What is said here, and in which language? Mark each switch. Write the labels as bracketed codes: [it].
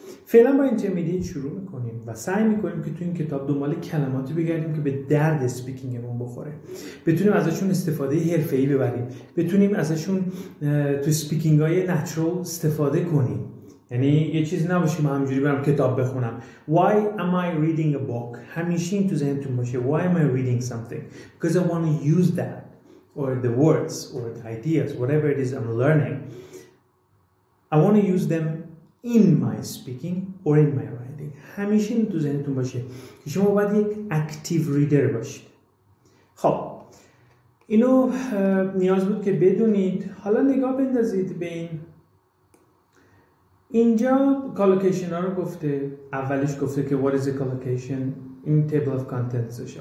[fa] فعلا با intermediate شروع میکنیم و سعی میکنیم که تو این کتاب دنبال کلماتی بگردیم که به درد اسپیکینگمون بخوره، بتونیم ازشون استفاده حرفه‌ای ببریم، بتونیم ازشون تو اسپیکینگ های نچرال استفاده کنیم. یعنی یه چیزی نباشه من همجوری برم کتاب بخونم. [en] Why am I reading a book؟ [fa] همیشه این تو ذهنتون باشه. [en] Why am I reading something؟ Because I want to use that or the words or the ideas whatever it is I'm learning I want to use them in my speaking or in my writing. [fa] همیشه تو ذهنتون باشه که شما باید یک اکتیو ریدر باشید. خب اینو نیاز بود که بدونید. حالا نگاه بندازید به این. اینجا کالوکیشن ها رو گفته، اولش گفته که [en] what is a collocation، [fa] این [en] table of contents [fa] شه.